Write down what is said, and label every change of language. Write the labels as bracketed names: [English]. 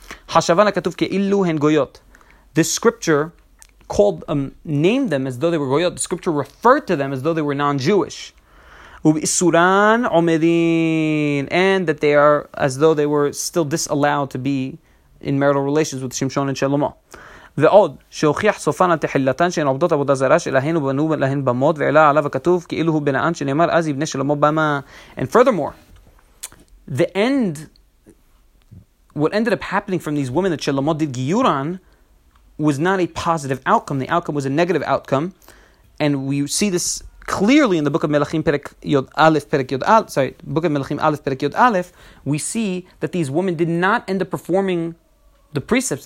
[Hebrew] Hashavan hakatuv keilu hen goyot. [English] The scripture named them as though they were goyot. The scripture referred to them as though they were non-Jewish. [Hebrew] Ubisuran omedin, [English] and that they are as though they were still disallowed to be in marital relations with Shimshon and Shlomo. [Hebrew] ועוד שהוכיח סופן על תחילתן שהן עובדות עבודה זרה שלהן ובנו להן במות ועלה עליו הכתוב כאילו הוא בנען שנאמר אז יבנה שלמה במה. [English] And furthermore, the end, what ended up happening from these women that Shlomo did giyuran was not a positive outcome. The outcome was a negative outcome. And we see this clearly in the Book of Melachim Perek Yod Aleph Perek Yod Aleph, Book of Melachim Aleph Perek Yod Aleph, we see that these women did not end up performing the precepts.